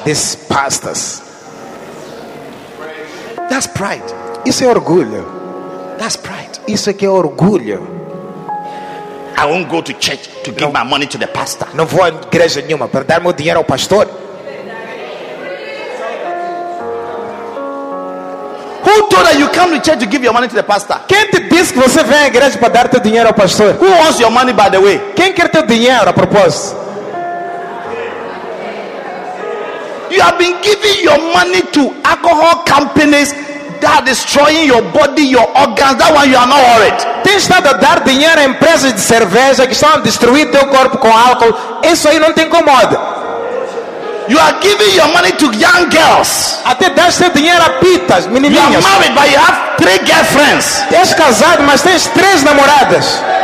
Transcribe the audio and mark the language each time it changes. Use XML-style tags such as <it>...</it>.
<en>These pastors. That's pride.</en> <pt>Isso é orgulho.</pt> <en>That's pride.</en> <pt>Isso é que é orgulho.</pt> <en>I won't go to church to give my money to the pastor.</en> <pt>Não vou à igreja nenhuma para dar meu dinheiro ao pastor.</pt> <en>Who told you come to church to give your money to the pastor?</en> <pt>Quem te disse que você vem à igreja para dar teu dinheiro ao pastor?</pt> <en>Who wants your money, by the way?</en> <pt>Quem quer teu dinheiro a propósito?</pt> <en>You have been giving your money to alcohol companies that are destroying your body, your organs. That one you are not worried.</en> <pt>Tem estado a dar dinheiro a empresas de cerveja que estão a destruir teu corpo com álcool. Isso aí não te incomoda.</pt> <en>You are giving your money to young girls.</en> <pt>Até dás teu dinheiro a pitas, menininhas.</pt> <en>You are married, but you have three girlfriends.</en> <pt>És casado, mas tens três namoradas.</pt>